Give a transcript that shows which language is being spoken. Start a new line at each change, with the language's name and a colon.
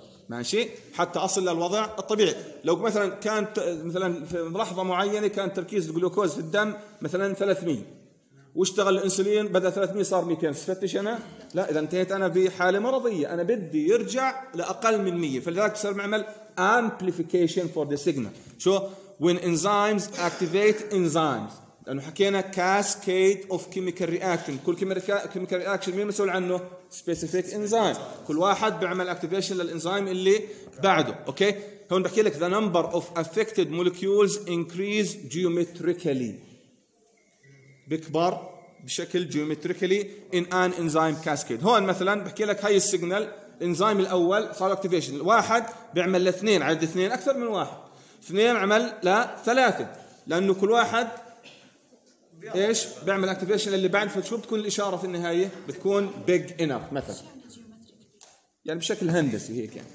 Arabic: ماشي، حتى اصل للوضع الطبيعي. لو مثلا كانت مثلا في لحظه معينه كان تركيز الجلوكوز في الدم مثلا 300، واشتغل الانسولين بدل 300 صار 200، فتش انا لا، اذا انتهيت انا بحاله مرضيه، انا بدي يرجع لاقل من 100. فلذلك صار معمل
English: amplification for the signal. شو؟ when enzymes activate enzymes.
Arabic: لأنه حكينا
English: cascade of chemical reaction.
Arabic: كل chemical reaction مين مسؤول عنه؟ specific enzyme. كل واحد بعمل activation للإنزيم اللي بعده.
English: Okay?
Arabic: هون بحكي لك
English: the number of affected molecules increase geometrically.
Arabic: بكبر بشكل
English: geometrically in an enzyme cascade.
Arabic: هون مثلاً بحكي لك هاي السيجنال الإنزيم الأول صار activation. الواحد بعمل لاثنين، عدد اثنين أكثر من واحد. اثنين عمل لثلاثة، لأنه كل واحد ايش بيعمل اكتيفيشن اللي بعد. فشو بتكون الاشاره في النهايه؟ بتكون بيج انف مثلا، يعني بشكل هندسي هيك يعني.